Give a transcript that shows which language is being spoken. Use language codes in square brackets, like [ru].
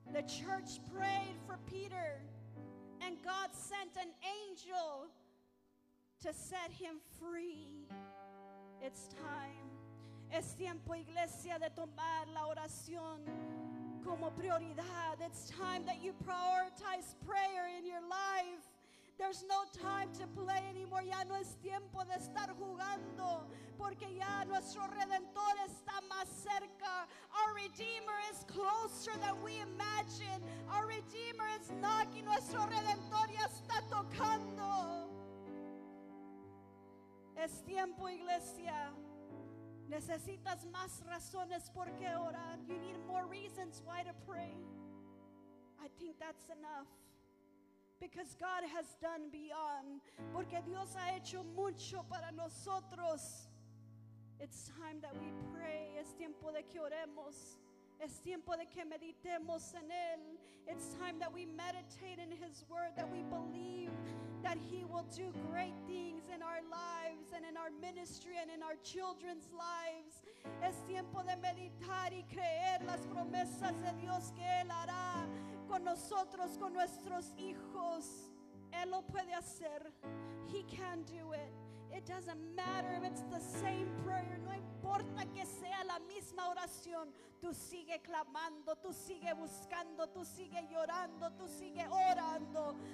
[en] The church prayed for Peter and God sent an angel to set him free. It's time. [es] Es tiempo, iglesia, de tomar la oración como prioridad. [en] It's time that you prioritize prayer in your life. There's no time to play anymore. [es] Ya no es tiempo de estar jugando, porque ya nuestro Redentor está más cerca. [en] Our Redeemer is closer than we imagine. Our Redeemer is knocking. [es] Nuestro Redentor ya está tocando. Es tiempo, iglesia. Necesitas más razones por qué orar. [en] You need more reasons why to pray. I think that's enough. Because God has done beyond. [es] Porque Dios ha hecho mucho para nosotros. [en] It's time that we pray. [es] Es tiempo de que oremos. Es tiempo de que meditemos en Él. [en] It's time that we meditate in His Word, that we believe that He will do great things in our lives and in our ministry and in our children's lives. [es] Es tiempo de meditar y creer las promesas de Dios que Él hará con nosotros, con nuestros hijos. Él lo puede hacer. [en] He can do it. It doesn't matter if it's the same prayer. [es] No importa que sea la misma oración. Tú sigue clamando, tú sigue buscando, tú sigue llorando, tú sigue orando.